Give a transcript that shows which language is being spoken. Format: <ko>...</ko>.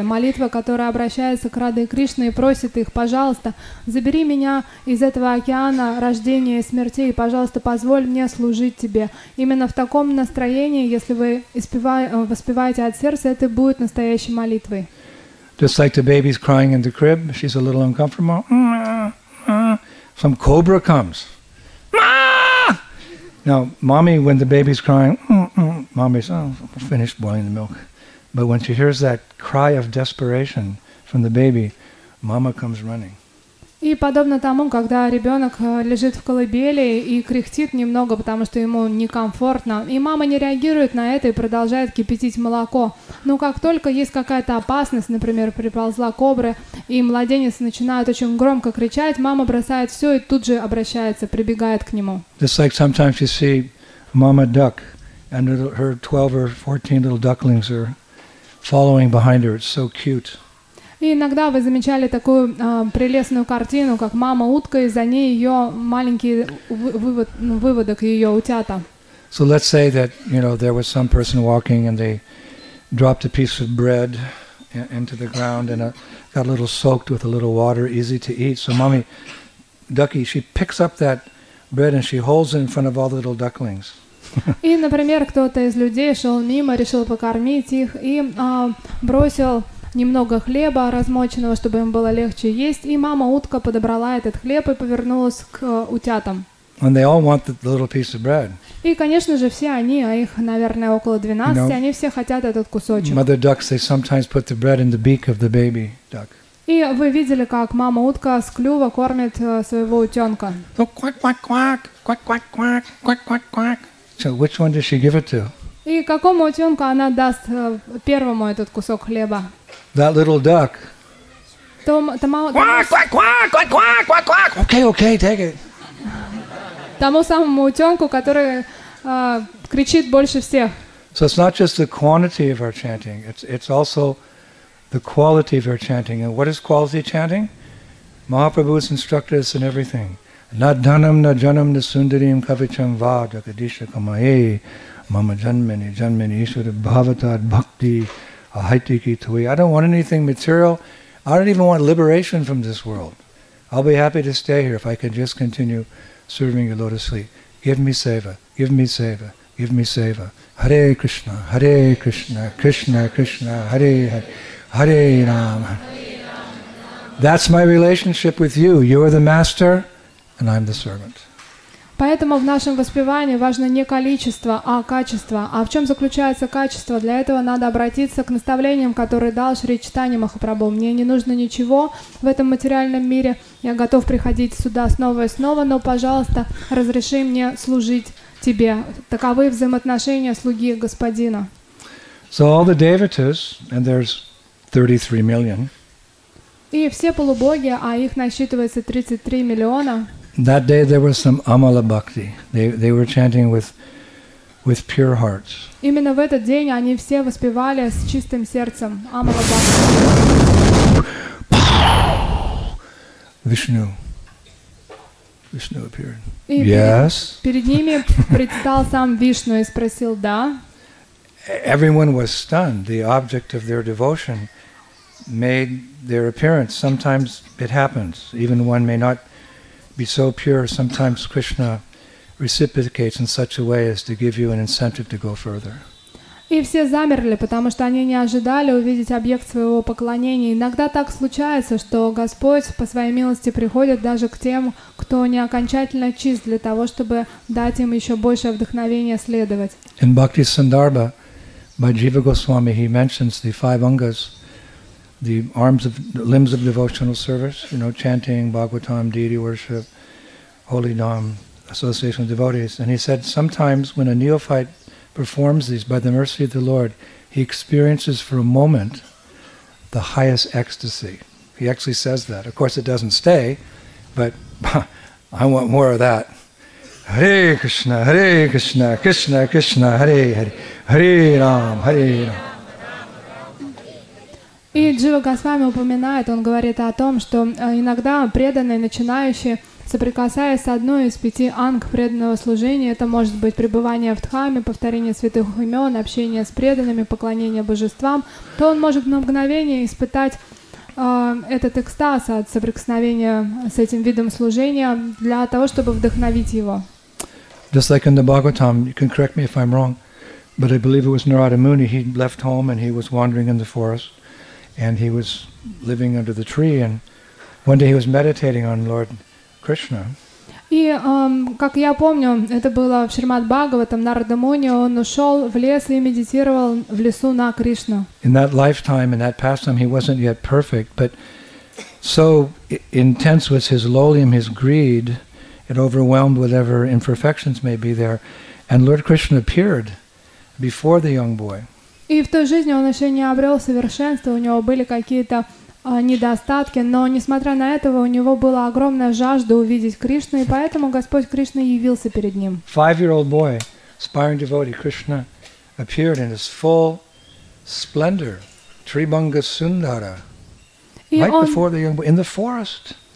<ru>Молитва, которая обращается к Раде Кришне и просит их, пожалуйста, забери меня из этого океана рождения и смерти, и, пожалуйста, позволь мне служить тебе. Именно в таком настроении, если вы воспеваете от сердца, это будет настоящей молитвой.</ru> <en>Just like the baby's crying in the crib, she's a little uncomfortable. Some cobra comes. Now, mommy, when the baby's crying, mommy's finished boiling the milk. But when she hears that cry of desperation from the baby, mama comes running.</en> <ru>И подобно тому, когда ребенок лежит в колыбели и кряхтит немного, потому что ему некомфортно, и мама не реагирует на это и продолжает кипятить молоко. Но как только есть какая-то опасность, например, приползла кобра, и младенец начинает очень громко кричать, мама бросает все и тут же обращается, прибегает к нему.</ru> <en>Just like sometimes you see mama duck, and her 12 or 14 little ducklings are following behind her. It's so cute.</en> <ru>И иногда вы замечали такую прелестную картину, как мама утка, и за ней ее маленький выводок, ее утята.</ru> <en>So let's say that, you know, there was some person walking and they dropped a piece of bread into the ground and got a little soaked with a little water, easy to eat. So mommy ducky, she picks up that bread and she holds it in front of all the little ducklings.</en> <ru>И, например, кто-то из людей шел мимо, решил покормить их и бросил немного хлеба размоченного, чтобы им было легче есть, и мама утка подобрала этот хлеб и повернулась к утятам.</ru> <en>And they all want the little piece of bread.</en> <ru>И, конечно же, все они, а их, наверное, около 12,</ru> <en>you know,</en> <ru>они все хотят этот кусочек.</ru> <en>Mother ducks, they sometimes put the bread in the beak of the baby duck.</en> <ru>И вы видели, как мама утка с клюва кормит своего утенка.</ru> <en>So quack quack quack quack quack quack quack quack quack. So which one does she give it to?</en> <ru>И какому утенку она даст первому этот кусок хлеба?</ru> <en>That little duck. Quack, quack, quack, quack, quack, quack, quack. Okay, okay, take it.</en> <ru>Тому самому утенку, который кричит больше всех.</ru> <en>So it's not just the quantity of our chanting, it's also the quality of our chanting. And what is quality chanting? Mahaprabhu has instructed us in everything.</en> <sa>Na dhanam na janam na sundariam kavicham va jagadisha kamae mama janmani janmani ishvara bhavatad bhakti.</sa> <en>I don't want anything material. I don't even want liberation from this world. I'll be happy to stay here if I can just continue serving your lotus feet. Give me seva. Give me seva. Give me seva. Hare Krishna.</en> <sa>Hare Krishna. Krishna Krishna. Hare Hare. Hare Rama.</sa> <en>That's my relationship with you. You are the master and I'm the servant.</en> <ru>Поэтому в нашем воспевании важно не количество, а качество. А в чем заключается качество? Для этого надо обратиться к наставлениям, которые дал Шри Чайтанья Махапрабху. Мне не нужно ничего в этом материальном мире. Я готов приходить сюда снова и снова, но, пожалуйста, разреши мне служить тебе. Таковы взаимоотношения слуги и господина.</ru> <en>So all the devotees, and there's 33 million.</en> <ru>И все полубоги, а их насчитывается 33 миллиона.</ru> <en>That day there was some Amala Bhakti. They were chanting with with pure hearts.</en> <ru>Именно в этот день они все воспевали с чистым сердцем.</ru> <en>Vishnu. Vishnu appeared. Yes.</en> <ru>Перед ними предстал сам Вишну и спросил: "Да?"</ru> <en>Everyone was stunned. The object of their devotion made their appearance. Sometimes it happens. Even one may not be so pure. Sometimes Krishna reciprocates in such a way as to give you an incentive to go further.</en> <ru>И все замерли, потому что они не ожидали увидеть объект своего поклонения. Иногда так случается, что Господь по своей милости приходит даже к тем, кто не окончательно чист, для того, чтобы дать им еще большее вдохновение следовать.</ru> <en>In Bhakti Sandarbha, by Jiva Goswami, he mentions the five angas, the arms of limbs of devotional service, you know, chanting, Bhagavatam, deity worship, holy nam, association of devotees. And he said, sometimes when a neophyte performs these by the mercy of the Lord, he experiences for a moment the highest ecstasy. He actually says that. Of course, it doesn't stay, but I want more of that.</en> <sa>Hare Krishna, Krishna Krishna, Hare Hare, Hare Ram, Hare Ram.</sa> <ru>И Джива Госвами упоминает, он говорит о том, что иногда преданные, начинающие, соприкасаясь с одной из пяти анг преданного служения, это может быть пребывание в Дхаме, повторение святых имен, общение с преданными, поклонение божествам, то он может на мгновение испытать этот экстаз от соприкосновения с этим видом служения для того, чтобы вдохновить его.</ru> <en>Just like in the Bhagavatam, you can correct me if I'm wrong, but I believe it was Narada Muni, he left home and he was wandering in the forest. And he was living under the tree, and one day he was meditating on Lord Krishna.</en> <ru>И как я помню, это было в Шримад Бхагаватам, Нарада Муни, он ушел в лес и медитировал в лесу на Кришну.</ru> <en>In that lifetime, in that pastime, he wasn't yet perfect, but so intense was his lolium, his greed, it overwhelmed whatever imperfections may be there, and Lord Krishna appeared before the young boy.</en> <ru>И в той жизни он еще не обрел совершенства, у него были какие-то недостатки, но несмотря на это, у него была огромная жажда увидеть Кришну, и поэтому Господь Кришна явился перед ним.</ru> <en>Five-year-old boy, aspiring devotee, Krishna appeared in his full splendor, Tribhanga Sundara, right before the young boy, in the forest.</en>